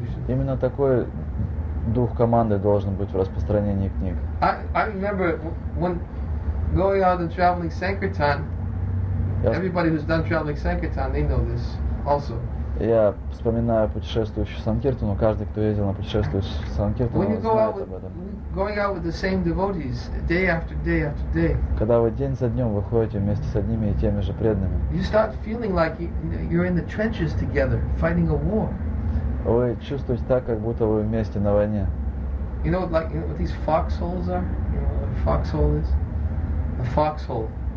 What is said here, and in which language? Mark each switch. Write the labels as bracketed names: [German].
[Russian] именно такой дух команды должен быть в распространении книг. [English] I remember when going out and traveling Sankirtan, everybody who's done traveling Sankirtan, they know this also. [Russian] Я вспоминаю путешествующую Санкиртану, каждый, кто ездил на путешествующую Санкиртану, знает об этом. [English] Going out with the same devotees, day after day after day, [Russian] когда вы день за днем выходите вместе с одними и теми же преданными, [English] you start feeling like you're in the trenches together, fighting a war. [Russian] Вы чувствуете так, как будто вы вместе на войне. [English] You know, like, you know what these foxholes are? You know what a foxhole is? A foxhole.